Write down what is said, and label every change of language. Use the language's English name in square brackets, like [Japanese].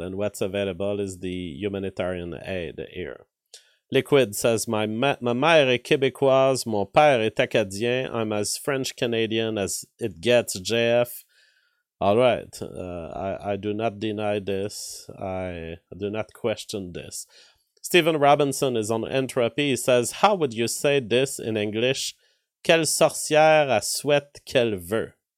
[English] And what's available is the humanitarian aid here. Liquid says, [French] Ma mère est Québécoise, mon père est Acadien. [English] I'm as French-Canadian as it gets, JF. All right. I do not deny this. I do not question this. Stephen Robinson is on Entropy. He says, how would you say this in English? [French] Quelle sorcière a souhaite qu'elle veut?